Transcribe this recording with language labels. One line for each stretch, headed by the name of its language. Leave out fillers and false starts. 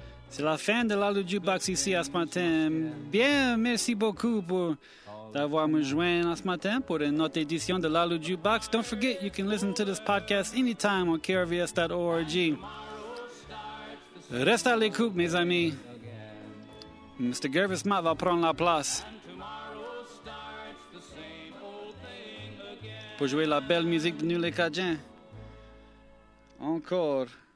French: C'est la fin de la loi du box ici à ce matin. Bien, merci beaucoup pour d'avoir me joint à ce matin pour une autre édition de la loi du box.
English: Don't forget, you can listen to this podcast anytime on krvs.org.
French: Reste à l'écoute, mes amis. Mr. Gervis Matt va prendre la place pour jouer la belle musique de Nulé Cajun. Encore.